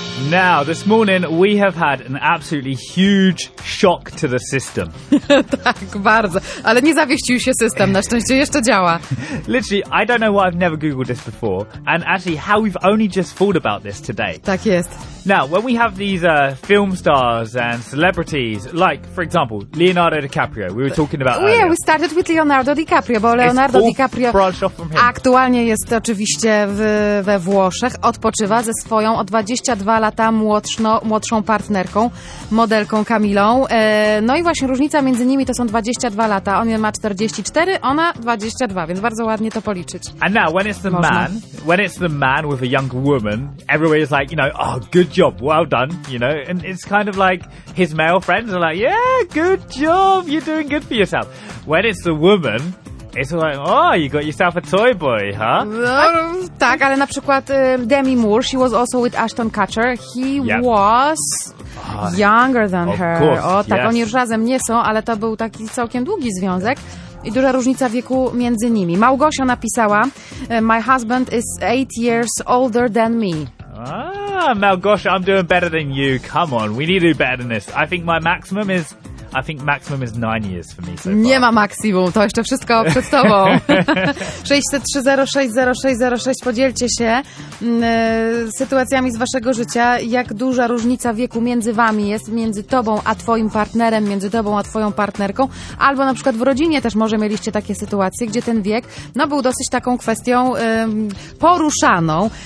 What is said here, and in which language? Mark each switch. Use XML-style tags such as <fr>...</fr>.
<en>Now, this morning, we have had an absolutely huge shock to the system.</en> <pl>Tak, bardzo. Ale nie zawieścił się system. Na szczęście jeszcze działa.</pl> <en>Literally, I don't know why I've never Googled this before. And actually, how we've only just thought about this today.</en> <pl>Tak jest.</pl> <en>Now, when we have these film stars and celebrities, like, for example, Leonardo DiCaprio, we were talking about earlier. Yeah, we started with Leonardo DiCaprio,</en> <pl>bo Leonardo DiCaprio aktualnie jest oczywiście we Włoszech, odpoczywa ze swoją o 22 lata młodszą partnerką, modelką Kamilą. No i właśnie różnica między nimi to są 22 lata. On ma 44, ona 22, więc bardzo ładnie to policzyć.</pl> <en>And now, when it's the man, when it's the man with a young woman, everybody is like, you know, oh, good job, well done, you know, and it's kind of like his male friends are like, yeah, good job, you're doing good for yourself. When it's the woman, it's like, oh, you got yourself a toy boy, huh?</en> <pl>Tak, ale na przykład</pl> <en>Demi Moore, she was also with Ashton Kutcher, he was younger than her. Of course,</en> <pl>o tak, oni już razem nie są, ale to był taki całkiem długi związek. I duża różnica wieku między nimi. Małgosia napisała,</pl> <en>my husband is 8 years older than me. Ah, Małgosia, I'm doing better than you. Come on, we need to do better than this. I think my maximum is, I think maximum is 9 years for me so far.</en> <pl>Nie ma maksimum, to jeszcze wszystko przed tobą. 603060606, podzielcie się sytuacjami z waszego życia, jak duża różnica wieku między wami jest, między tobą a twoim partnerem, między tobą a twoją partnerką, albo na przykład w rodzinie też może mieliście takie sytuacje, gdzie ten wiek no, był dosyć taką kwestią poruszaną.</pl>